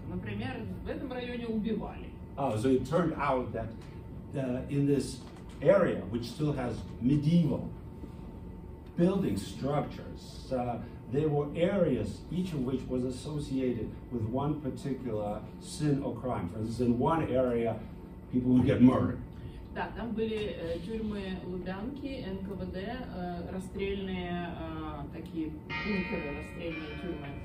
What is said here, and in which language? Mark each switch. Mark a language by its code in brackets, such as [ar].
[ru] Например, в этом районе убивали. [en] Oh, so it turned out that in this area, which still has medieval building structures, there were areas, each of which was associated with one particular sin or crime. For instance, in one area, people would get murdered. [ru] Да, там были тюрьмы Лубянки, НКВД, расстрельные такие бункеры, расстрельные тюрьмы.